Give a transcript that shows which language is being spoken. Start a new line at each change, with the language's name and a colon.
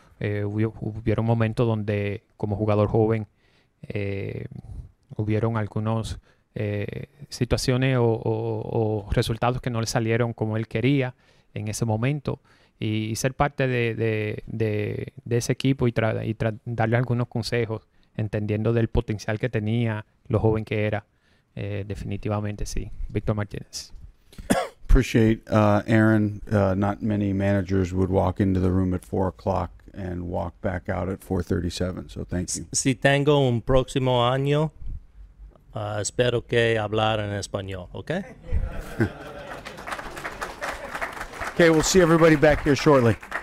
Spanish: Hubieron momentos donde, como jugador joven, hubieron algunos situaciones o resultados que no le salieron como él quería en ese momento. Y ser parte de ese equipo y darle algunos consejos, entendiendo del potencial que tenía, lo joven que era, definitivamente sí. Víctor Martínez.
English: Appreciate, Aaron. Not many managers would walk into the room at 4:00 and walk back out at 4:37. So thank you.
Spanish: Si tengo un próximo año, espero que hablar en español, okay?
English: Okay, we'll see everybody back here shortly.